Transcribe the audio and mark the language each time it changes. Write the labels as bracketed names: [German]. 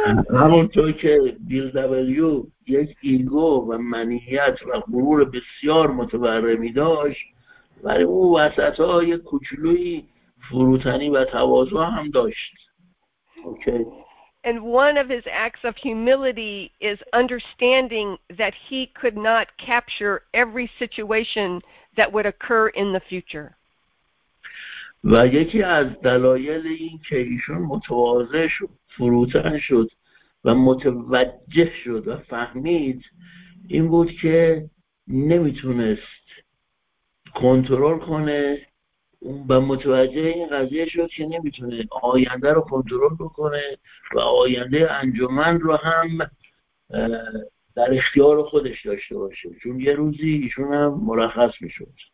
[Persian] همونطور که بیل دبلیو یک ایگو و منیت و غرور بسیار متورمی داشت، ولی او وسط ها یک کوچولوی فروتنی و تواضع هم داشت. [English] And one of his acts of humility is understanding that he could not capture every situation that would occur in the future. [Persian] و یکی از دلایل این که ایشون متواضع شد، فروتن شد و متوجه شد و فهمید این بود که نمیتونست کنترل کنه و متوجه این قضیه شد که نمیتونه آینده رو کنترل بکنه و آینده انجمن رو هم در اختیار خودش داشته باشه، چون یه روزی ایشون هم مرخص میشد.